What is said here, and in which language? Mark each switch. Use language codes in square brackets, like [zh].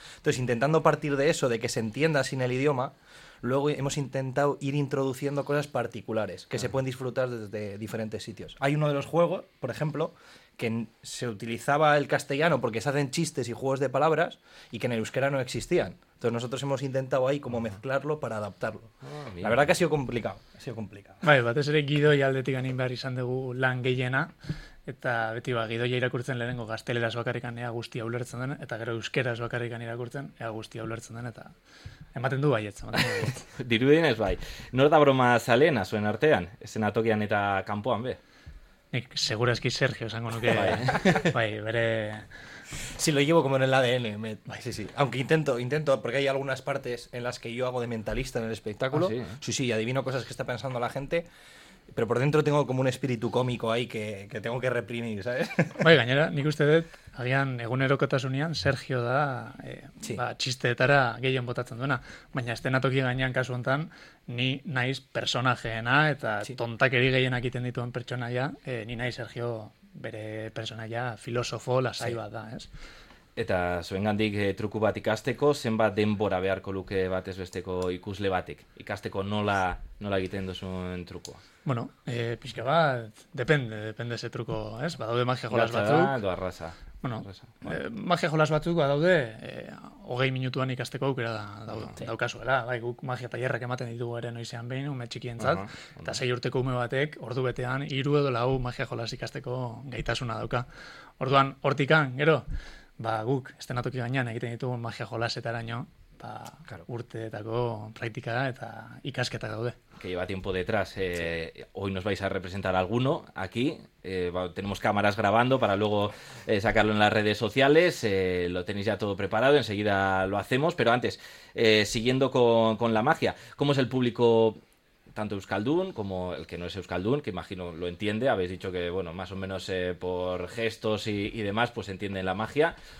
[es] Entonces, intentando partir de eso, de que se entienda sin el idioma, luego hemos intentado ir introduciendo cosas particulares que se pueden disfrutar desde diferentes sitios. Hay uno de los juegos, por ejemplo, que se utilizaba el castellano porque se hacen chistes y juegos de palabras y que en el euskera no existían. Entonces nosotros hemos intentado ahí como mezclarlo para adaptarlo. La verdad que ha sido complicado, ha sido complicado. [eu] Vale, batez ere Guido y aldetik egin behar izan dugu lan gehiena. Eta beti ba, Gidoia irakurtzen lehenengo gazteleraz bakarrikan ea guztia ulertzen den, eta gero euskeraz bakarrikan irakurtzen ea guztia ulertzen den, eta ematen du baietz. Dirudienez bai. Nor da broma zalena zuen artean, eszenatokian eta kanpoan be? Nik segurazki Sergio esango nuke. Bai, bere... [es] Si lo llevo como en el ADN, me... Ay, sí, sí. Aunque intento, porque hay algunas partes en las que yo hago de mentalista en el espectáculo. Ah, ¿sí? Sí, sí, adivino cosas que está pensando la gente. Pero por dentro tengo como un espíritu cómico ahí que tengo que reprimir, ¿sabes? [eu] Bai, gainera, nik uste dut, agian egunerokotasunean, Sergio da sí. Ba, txisteetara gehien botatzen duena. Baina eszenatoki gainean kasu hontan, ni naiz personajeena eta sí. Tontakeri gehienak egiten dituen pertsonaia, ni naiz Sergio bere pertsonaia filosofo lasai bat da, ez? Eta zuengandik truku bat ikasteko, zenbat denbora beharko luke batez besteko ikusle batek? Ikasteko nola egiten duzun trukoa? Bueno, pixka bat, [es] depende ese truko, [eu] ez? Badaude magia jolas batzuk. Gatza da, doa raza. Bueno, magia jolas batzuk badaude, hogei minutuan ikasteko aukera daukazuela. Bai, guk magia tailerrak ematen ditugu ere noizean behin, ume txikientzat. Eta sei urteko ume batek, ordu betean, hiru edo lau magia jolas ikasteko gaitasuna dauka. Orduan, hortikan, gero? Ba, guk, estenatoki gainean egiten ditugu magia jolasetaraino, ba, claro. Urteetako praktika eta ikasketa daude. [es] Que lleva tiempo detrás. Sí. Hoy nos vais a representar alguno aquí. Tenemos cámaras grabando para luego sacarlo en las redes sociales. Lo tenéis ya todo preparado, enseguida lo hacemos. Pero antes, siguiendo con la magia, ¿cómo es el público, tanto euskaldun como el que no es euskaldun, que imagino lo entiende? Habéis dicho que, bueno, más o menos por gestos y demás, pues entienden la magia.